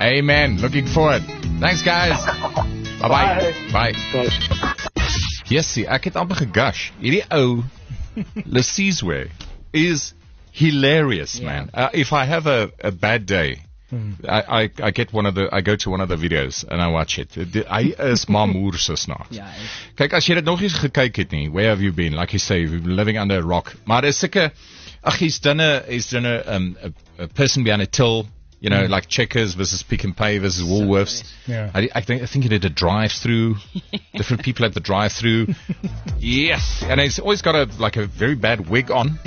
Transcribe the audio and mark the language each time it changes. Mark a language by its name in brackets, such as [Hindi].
[English] Amen. Looking forward. Thanks, guys. Bye-bye. Bye. Yes, see, I get amper gush. [Afrikaans] Hierdie ou Lasizwe is [English] hilarious, man. If I have a bad day, I get one of the, I go to one of the videos and I watch it. [Afrikaans] Hy is mamoer so snaak. Kyk, as jy dit nog nie gekyk het nie, [English] where have you been? Like you say, you've been living under a rock. [Afrikaans] Maar is sikke, ach, [English] he's done a person behind a till, you know, like Checkers versus Pick and Pay versus Woolworths. So yeah. I think he did a drive-through. Different people at the drive-through. Yes. And he's always got a very bad wig on.